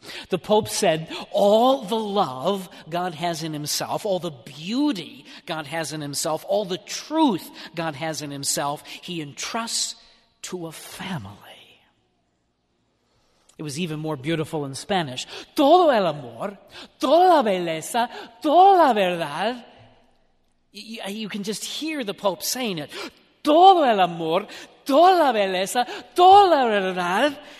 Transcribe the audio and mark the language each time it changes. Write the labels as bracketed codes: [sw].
[en] The Pope said, all the love God has in himself, all the beauty God has in himself, all the truth God has in himself, he entrusts to a family. It was even more beautiful in Spanish. [es] Todo el amor, toda la belleza, toda la verdad. [en] You can just hear the Pope saying it. [es] Todo el amor, toda la belleza, toda la verdad.